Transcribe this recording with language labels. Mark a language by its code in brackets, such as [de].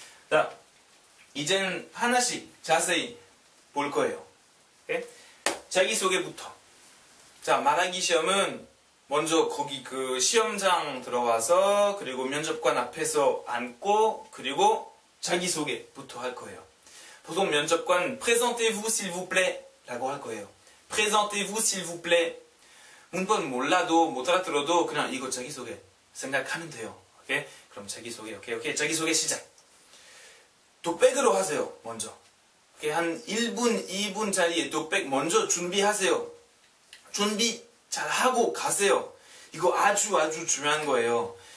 [ko] 자, 이제는 하나씩 자세히 볼 거예요. 네? 자기소개부터. 자, 말하기 시험은 먼저 거기 그 시험장 들어와서, 그리고 면접관 앞에서 앉고, 그리고 자기소개부터 할 거예요. 보통 면접관 [fr] Présentez-vous s'il vous plaît [ko] 라고 할 거예요. [fr] Présentez-vous s'il vous plaît. [ko] 문법 몰라도, 못 알아들어도 그냥 이거 자기소개 생각하면 돼요. 오케이? 그럼 자기소개, 오케이, 오케이, 자기소개 시작. 독백으로 하세요, 먼저. 이렇게 한 1분, 2분 자리에 독백 먼저 준비하세요. 준비 잘 하고 가세요. 이거 아주 아주 중요한 거예요.